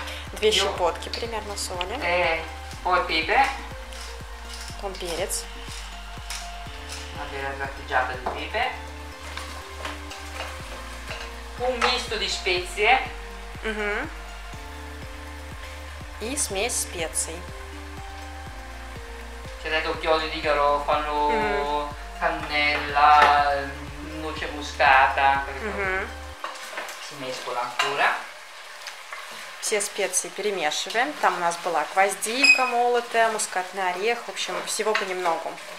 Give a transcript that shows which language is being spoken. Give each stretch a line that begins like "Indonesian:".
Italian: Due
Russian: щепотки примерно соли.
Italian: Poi pepe. Con
Russian: перец.
Italian: Una bella grattugiata di pepe. Un misto di spezie.
Russian: И смесь специй.
Italian: C'è detto chiodi di garofano, cannella, noce muscata. Si mescola ancora.
Russian: Все специи перемешиваем. Там у нас была гвоздика молотая, мускатный орех, в общем, всего понемногу.